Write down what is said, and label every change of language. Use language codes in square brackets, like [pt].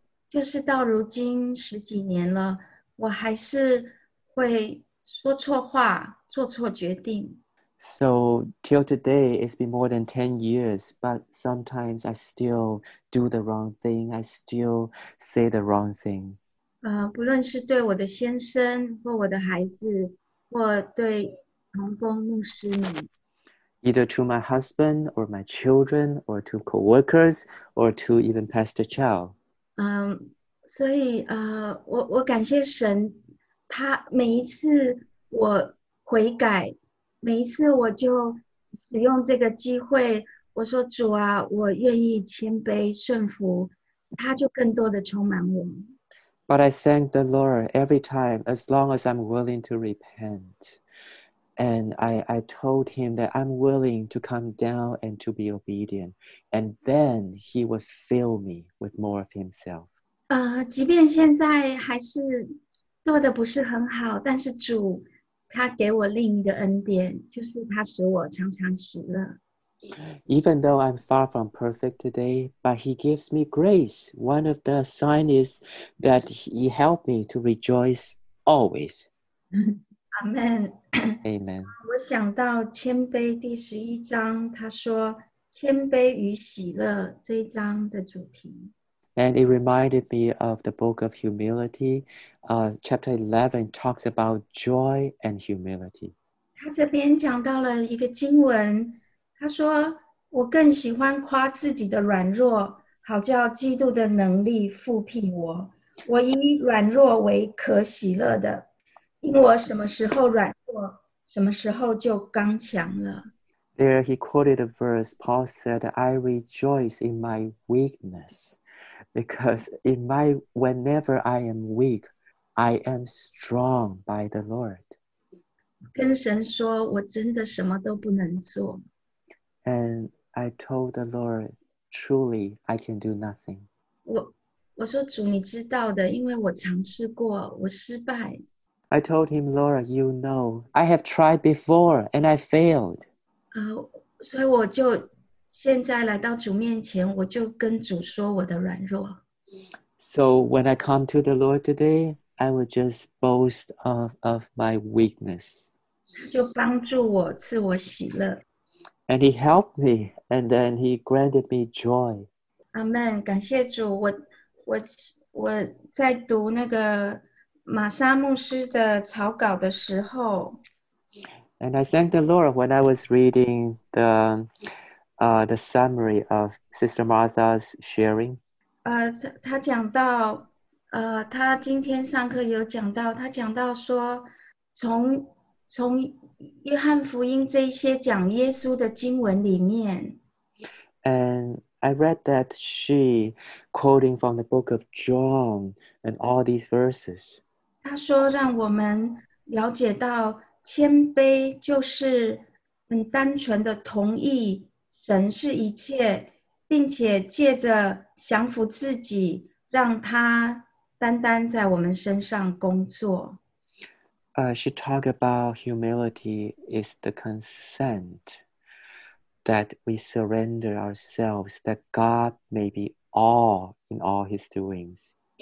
[zh] 就是到如今十几年了，我还是会说错话，做错决定。 [en] So till today, it's been more than 10 years, but sometimes I still do the wrong thing. I still say the wrong thing. [zh] 不论是对我的先生或我的孩子或对同工牧师们, [en] either to my husband or my children or to co-workers or to even Pastor Chow. [zh] 所以我感谢神，他每一次我悔改，每一次我就使用这个机会，我说主啊，我愿意谦卑顺服，他就更多的充满我。 [en] But I thank the Lord every time, as long as I'm willing to repent. And I told him that I'm willing to come down and to be obedient. And then he would fill me with more of himself. [zh] 即便现在还是做得不是很好，但是主他给我另一个恩典，就是他使我常常喜乐。 [en] Even though I'm far from perfect today, but he gives me grace. One of the signs is that he helped me to rejoice always. Amen. Amen. [zh] 我想到谦卑第十一章，他说谦卑与喜乐这一章的主题。 [en] And it reminded me of the book of humility. Chapter 11 talks about joy and humility. [zh] 他这边讲到了一个经文，他说我更喜欢夸自己的软弱，好叫基督的能力覆庇我。我以软弱为可喜乐的，因我什么时候软弱，什么时候就刚强了。 [en] There he quoted a verse. Paul said, I rejoice in my weakness. Because in my, whenever I am weak, I am strong by the Lord. [zh] 跟神说我真的什么都不能做。 [en] And I told the Lord, truly, I can do nothing. [zh] 我说主你知道的，因为我尝试过，我失败。 [en] I told him, Lord, you know, I have tried before and I failed. [zh] 所以我就现在来到主面前，我就跟主说我的软弱。 [en] So when I come to the Lord today, I will just boast of my weakness. [zh] 就帮助我，赐我喜乐。 [en] And he helped me, and then he granted me joy. [zh] Amen. 感谢主。我在读那个马沙牧师的草稿的时候。 [en] And I thank the Lord when I was reading the summary of Sister Martha's sharing. [zh] 他讲到，他今天上课有讲到，他讲到说，从约翰福音这些讲耶稣的经文里面。 [en] And I read that she quoting from the book of John and all these verses. [zh] 他说让我们了解到谦卑就是很单纯的同意神是一切，并且借着降服自己，让他单单在我们身上工作。 [en] She talked about humility is the consent that we surrender ourselves, that God may be all in all his doings.